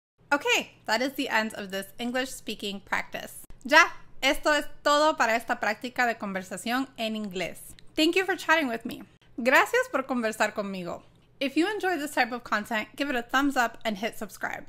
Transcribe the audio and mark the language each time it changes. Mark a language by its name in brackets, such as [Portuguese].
[English] Okay, that is the end of this English speaking practice. [Spanish] Ya, esto es todo para esta práctica de conversación en inglés. [English] Thank you for chatting with me. [Spanish] Gracias por conversar conmigo. [English] If you enjoy this type of content, give it a thumbs up and hit subscribe.